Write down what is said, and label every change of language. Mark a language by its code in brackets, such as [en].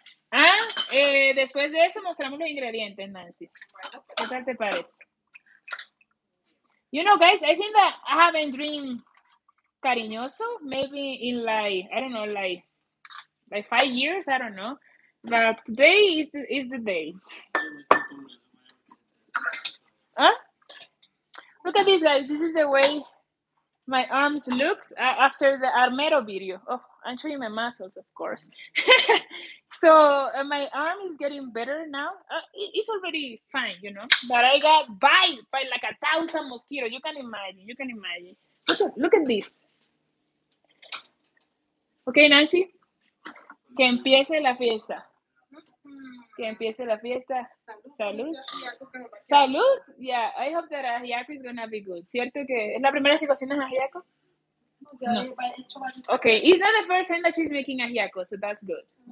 [es] Ah, después de eso mostramos los ingredientes, Nancy. ¿Qué tal te parece? [en] You know, guys, I think that I haven't dreamed cariñoso, maybe in like, I don't know, like 5 years, I don't know, but today is the day. Look at this, guys. This is the way my arms looks after the Armero video. Oh, I'm showing my muscles, of course. So my arm is getting better now. It's already fine, you know, but I got bite by like a thousand mosquitoes. You can imagine. You can imagine. Look at this. [es] Ok, Nancy, que empiece la fiesta. Que empiece la fiesta. Salud. Salud. [en] Yeah, I hope that ajiaco is going to be good. [es] ¿Cierto que es la primera vez que cocinas ajiaco? No. No, ya he hecho varios. [en] Ok, it's not the first time that she's making ajiaco, so that's good.